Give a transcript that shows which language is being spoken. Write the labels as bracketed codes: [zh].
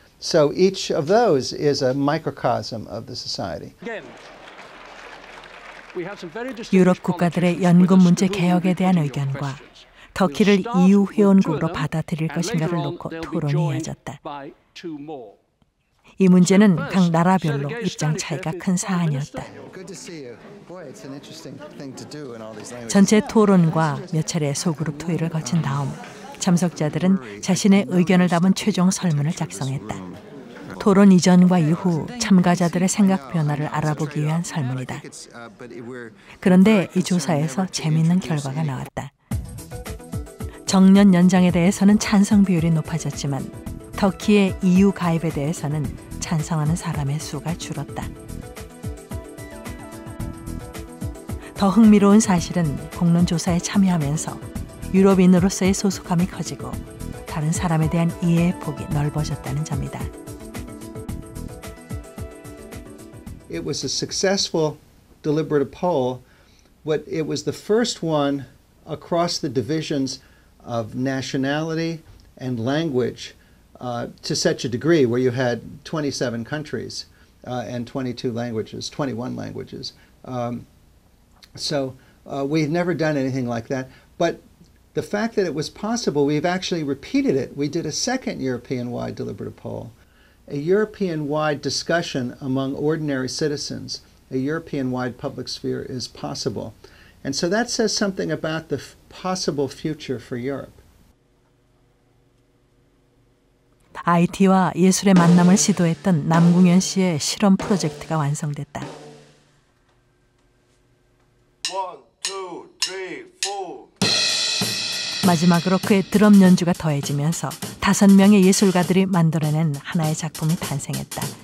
[en] So each of those is a microcosm of the society. Again, we have some very distinguished [ko] 유럽 국가들의 연금 문제 개혁에 대한 의견과 터키를 EU 회원국으로 받아들일 것인가를 놓고 토론이 이어졌다. 이 문제는 각 나라별로 입장 차이가 큰 사안이었다. 전체 토론과 몇 차례의 소그룹 토의를 거친 다음 참석자들은 자신의 의견을 담은 최종 설문을 작성했다. 토론 이전과 이후 참가자들의 생각 변화를 알아보기 위한 설문이다. 그런데 이 조사에서 재미있는 결과가 나왔다. 정년 연장에 대해서는 찬성 비율이 높아졌지만 터키의 EU 가입에 대해서는 찬성하는 사람의 수가 줄었다. 더 흥미로운 사실은 공론조사에 참여하면서 유럽인으로서의 소속감이 커지고 다른 사람에 대한 이해의 폭이 넓어졌다는 점이다. [en] It was a successful deliberative poll, but it was the first one across the divisions of nationality and language to such a degree where you had 27 countries and 22 languages, 21 languages. We've never done anything like that. But the fact that it was possible, we've actually repeated it. We did a second European-wide deliberative poll, a European-wide discussion among ordinary citizens, a European-wide public sphere is possible. And so that says something about the possible future for Europe. [ko] IT와 예술의 만남을 시도했던 남궁현 씨의 실험 프로젝트가 완성됐다. 마지막으로 그의 드럼 연주가 더해지면서 5명의 예술가들이 만들어낸 하나의 작품이 탄생했다.